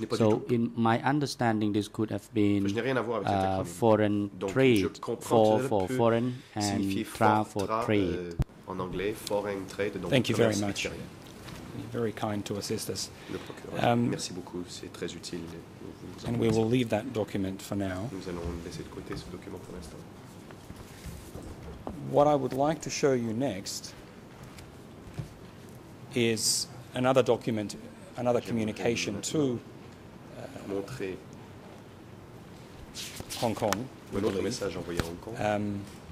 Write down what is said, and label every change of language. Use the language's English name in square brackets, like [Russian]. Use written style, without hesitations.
[English] So in my understanding, this could have been foreign trade, for foreign and tra for trade. [French] En anglais, [English] foreign trade, [French] donc [English] thank you very much. You're very kind to assist us. [French] Merci beaucoup, c'est très utile. [English] And we will leave that document for now. [French] Nous allons laisser de côté ce document pour l'instant. [English] What I would like to show you next is another document, another communication to [French] montrer Hong Kong, un autre message envoyé à Hong Kong.